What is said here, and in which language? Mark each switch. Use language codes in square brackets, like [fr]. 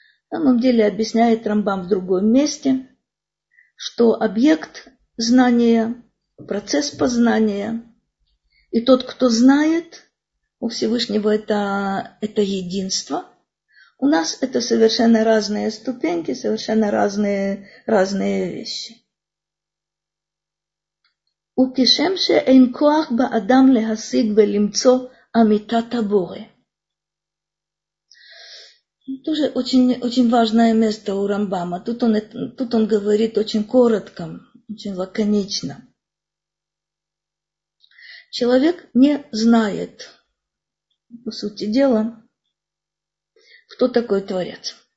[ru] На самом деле объясняет Рамбам в другом месте, что объект знания, процесс познания и тот, кто знает, у Всевышнего это единство. У нас это совершенно разные ступеньки, совершенно разные вещи. [he] וכשם שאין כוח באדם להשיג ולמצוא אמיתת הבורא. [ru] Тоже очень, очень важное место у Рамбама. Тут он говорит очень коротко, очень лаконично. Человек не знает, по сути дела, кто такой Творец.